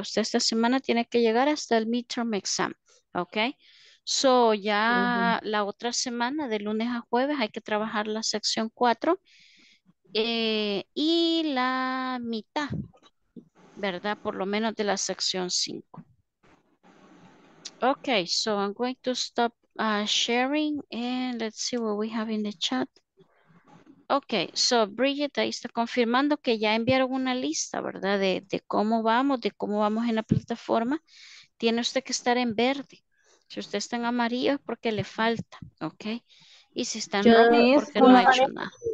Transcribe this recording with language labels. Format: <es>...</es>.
<es>Usted esta semana tiene que llegar hasta el midterm exam, ¿ok?</es> <en>So,</en> <es>ya la otra semana, de lunes a jueves, hay que trabajar la sección 4 y la mitad, ¿verdad? Por lo menos de la sección 5.</es> <en>Ok, so I'm going to stop sharing and let's see what we have in the chat. Ok, so</en> <es>Bridget ahí está confirmando que ya enviaron una lista, ¿verdad? De cómo vamos, de cómo vamos en la plataforma. Tiene usted que estar en verde. Si usted está en amarillo es porque le falta, ¿ok? Y si está en rojo es porque no ha hecho nada.</es>